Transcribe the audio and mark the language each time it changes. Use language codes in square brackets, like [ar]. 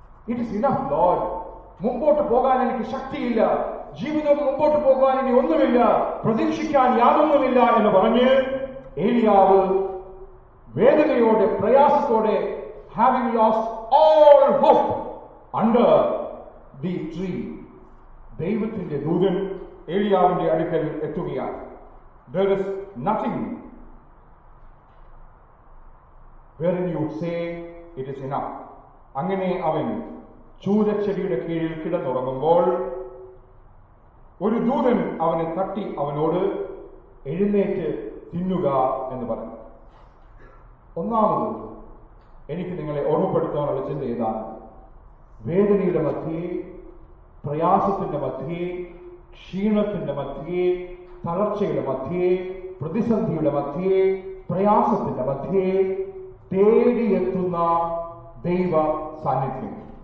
[en] it is enough lord, [ml] മുമ്പോട്ട് പോകാൻ എനിക്ക് ശക്തിയില്ല, ജീവിതം മുമ്പോട്ട് പോകാൻ ഇനി ഒന്നുമില്ല, പ്രതീക്ഷിക്കാൻ യാതൊന്നുമില്ല എന്ന് പറഞ്ഞ് ഏലിയാവ് വേദനയോടെ പ്രയാസത്തോടെ [en] having lost all hope under the tree, [ml] ദൈവത്തിന്റെ ദൂതൻ ഏലിയാവിന്റെ അടുക്കൽ എത്തുകയാണ്. [en] There is nothing wherein you say it is enough. [ml] അങ്ങനെ അവൻ ചൂരച്ചെടിയുടെ കീഴിൽ കിടന്നുറങ്ങുമ്പോൾ ഒരു ദൂതൻ അവനെ തട്ടി അവനോട് എഴുന്നേറ്റ് തിന്നുക എന്ന് പറഞ്ഞു. ഒന്നാമത് എനിക്ക് നിങ്ങളെ ഓർമ്മപ്പെടുത്താനുള്ള ചിന്ത ഇതാണ്, വേദനയുടെ മധ്യേ, പ്രയാസത്തിന്റെ മധ്യേ, ക്ഷീണത്തിന്റെ മധ്യേ, തളർച്ചയുടെ മധ്യേ, പ്രതിസന്ധിയുടെ മധ്യേ, പ്രയാസത്തിന്റെ മധ്യേ തേടിയെത്തുന്ന ദൈവ സാന്നിധ്യം.